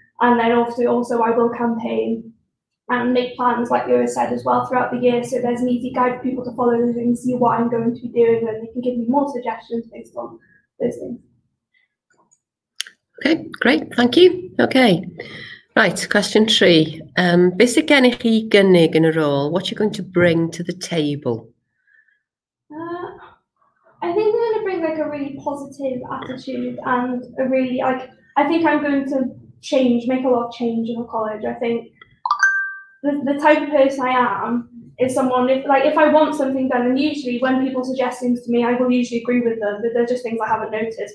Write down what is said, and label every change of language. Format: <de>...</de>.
<en>And then also I will campaign and make plans, like you said, as well throughout the year. So there's an easy guide for people to follow and see what I'm going to be doing, and they can give me more suggestions based on those things. Okay, great, thank you. Okay, right, question three.</en> <cy>Beth sy gennych chi gynnig yn y rôl?</cy> <en>What you're going to bring to the table? I think I'm going to bring like a really positive attitude and a really, like, I think I'm going to make a lot of change in the college. I think the type of person I am is someone, if I want something done, and usually when people suggest things to me, I will usually agree with them, but they're just things I haven't noticed.</en>